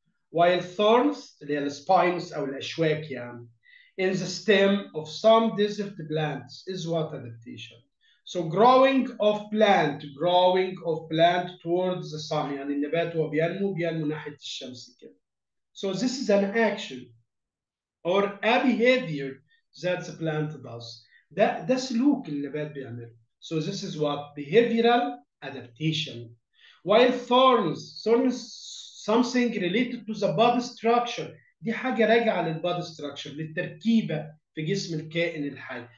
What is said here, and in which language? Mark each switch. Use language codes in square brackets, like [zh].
[en] While thorns [ar] اللي هي السباينز او الاشواك يعني [en] in the stem of some desert plants is what adaptation? So growing of plant towards the sun. [ar] يعني النبات هو بينمو ناحية الشمس كده. [en] So this is an action or a behavior that the plant does. [ar] ده سلوك النبات بيعمله. [en] So this is what behavioral adaptation. While thorns something related to the body structure. [ar] دي حاجة راجعة للبادي ستراكشر، للتركيبة في جسم الكائن الحي.